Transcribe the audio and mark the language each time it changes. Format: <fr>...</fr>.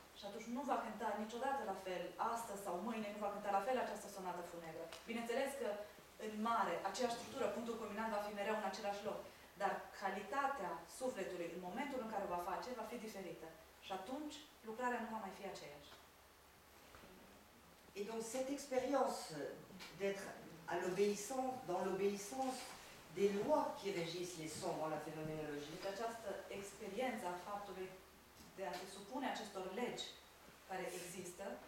<ro>Și atunci nu va cânta niciodată la fel, astăzi sau mâine, nu va cânta la fel această sonată funebră. Bineînțeles că în mare, aceeași structură, punctul culminant va fi mereu în același loc. Dar calitatea sufletului, în momentul în care o va face, va fi diferită. Și atunci lucrarea nu va mai fi aceeași.</ro> <fr>Et donc cette expérience d'être à l'obéissant, dans l'obéissance des lois qui régissent les sons dans la phénoménologie.</fr> <ro>Această experiență a faptului de a se supune acestor legi care există,</ro>